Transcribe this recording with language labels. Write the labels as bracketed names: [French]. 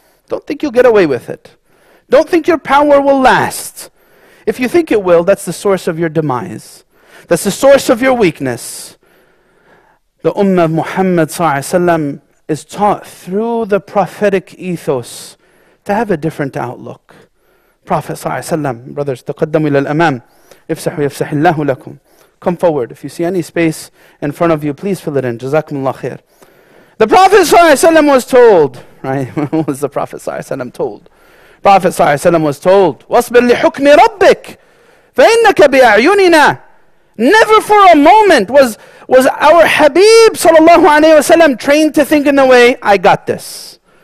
[English] Don't think you'll get away with it. Don't think your power will last. If you think it will, that's the source of your demise. That's the source of your weakness. The Ummah of Muhammad ﷺ is taught through the prophetic ethos to have a different outlook. Prophet ﷺ, brothers, [Arabic] تقدموا إلى الأمام افسحوا يفسح الله لكم. [English] Come forward. If you see any space in front of you, please fill it in. [Arabic] جزاكم الله خير. [English] The Prophet ﷺ was told, right? What was the Prophet ﷺ told? Prophet ﷺ was told, [Arabic] وَاصْبِرْ لِحُكْمِ رَبِّكَ فَإِنَّكَ بِأَعْيُنِنَا. [English] Never for a moment was our Habib sallallahu alayhi wasallam trained to think in the way, I got this.